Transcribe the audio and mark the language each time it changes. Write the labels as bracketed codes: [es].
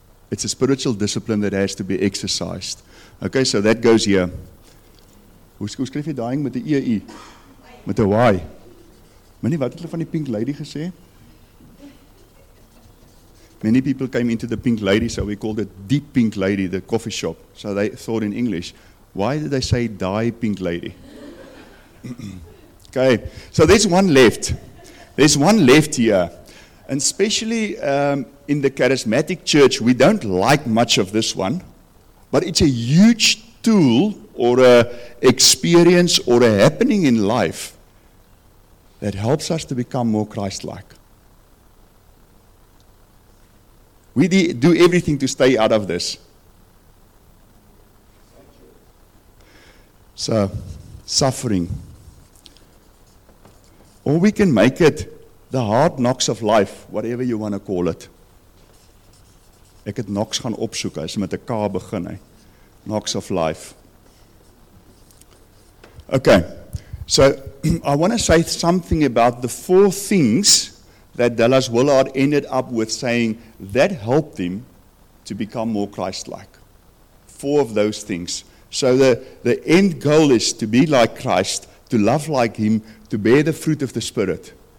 [en] It's a spiritual discipline that has to be exercised. Okay, so that goes here. [af] Hoe skryf jy dying met 'n EE? Met 'n Y. Many, wat het hulle van die Pink Lady gesê? [en] Many people came into the Pink Lady, so we called it the Pink Lady, the coffee shop. So they thought in English, why did they say die Pink Lady? Okay, so there's one left. There's one left here. And especially in the charismatic church, we don't like much of this one. But it's a huge tool or a experience or a happening in life. That helps us to become more Christ-like. We do everything to stay out of this. So, suffering. Or we can make it the hard knocks of life, whatever you want to call it. [af] Ek het knocks gaan opsoek, as met 'n K begin, hey. [en] Knocks of life. Okay. So, I want to say something about the four things that Dallas Willard ended up with saying that helped him to become more Christ-like. Four of those things. So, the end goal is to be like Christ, to love like Him, to bear the fruit of the Spirit.